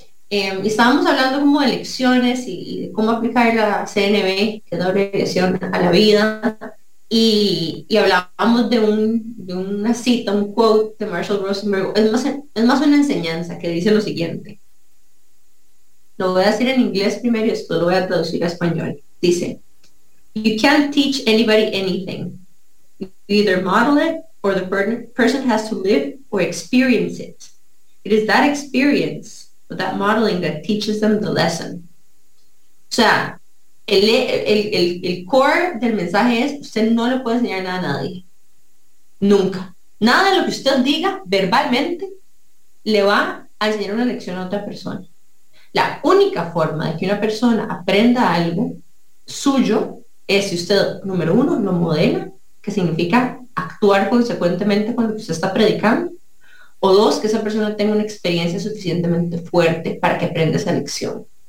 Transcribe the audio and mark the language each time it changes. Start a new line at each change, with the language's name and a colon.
Spanish: Y estábamos hablando como de lecciones y cómo aplicar la CNB, que es la abreviación, a la vida. Y hablábamos de una cita, un quote de Marshall Rosenberg. Es más una enseñanza que dice lo siguiente. Lo voy a decir en inglés primero y después lo voy a traducir a español.
English: Dice: "You can't teach anybody anything. You either model it or the person has to live or experience it. It is that experience or that modeling that teaches them the lesson."
Spanish: O sea, el core del mensaje es: usted no le puede enseñar nada a nadie. Nunca. Nada de lo que usted diga verbalmente le va a enseñar una lección a otra persona. La única forma de que una persona aprenda algo suyo es si usted, número uno, lo modela, que significa actuar consecuentemente con lo que usted está predicando, o dos, que esa persona tenga una experiencia suficientemente fuerte para que aprenda esa lección.